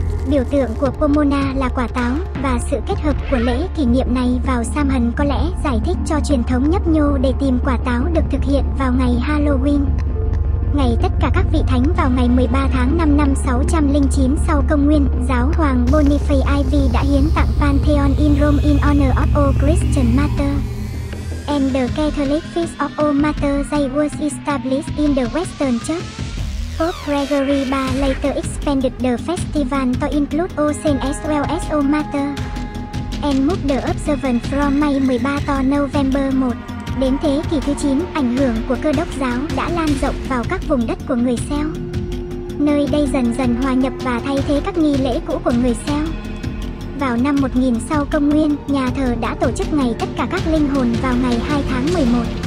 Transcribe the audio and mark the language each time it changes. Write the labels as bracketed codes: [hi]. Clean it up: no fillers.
[vi] Biểu tượng của Pomona là quả táo, và sự kết hợp của lễ kỷ niệm này vào Samhain có lẽ giải thích cho truyền thống nhấp nhô để tìm quả táo được thực hiện vào ngày Halloween. Ngày tất cả các vị thánh vào ngày 13 tháng 5 năm 609 sau Công Nguyên, giáo hoàng Boniface IV đã hiến tặng Pantheon [en] in Rome in honor of all Christian martyrs. And the Catholic Feast of All Martyrs Day was established in the Western Church. Pope Gregory III later expanded the festival to include all saints as well as all martyrs. And moved the observance from May 13 to November 1. [vi] Đến thế kỷ thứ 9, ảnh hưởng của cơ đốc giáo đã lan rộng vào các vùng đất của người Celt, nơi đây dần dần hòa nhập và thay thế các nghi lễ cũ của người Celt. Vào năm 1000 sau Công Nguyên, nhà thờ đã tổ chức ngày tất cả các linh hồn vào ngày 2 tháng 11.